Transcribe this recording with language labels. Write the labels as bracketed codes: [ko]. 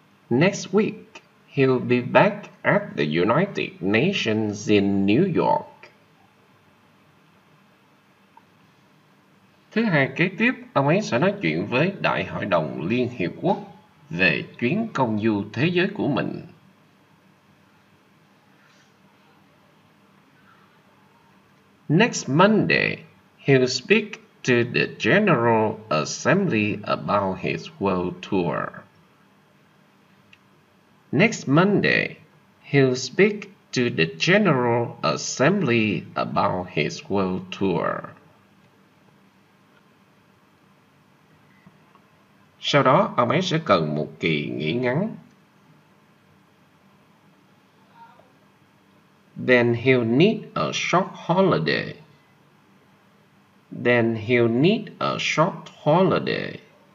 [en] Next week, he'll be back at the United Nations in New York. [vi] Thứ hai kế tiếp, ông ấy sẽ nói chuyện với Đại hội đồng Liên Hiệp Quốc về chuyến công du thế giới của mình. [en] Next Monday, he'll speak to the General Assembly about his world tour. Next Monday, he'll speak to the General Assembly about his world tour. [vi] Sau đó, ông ấy sẽ cần một kỳ nghỉ ngắn. [en] Then he'll need a short holiday. Then he'll need a short holiday.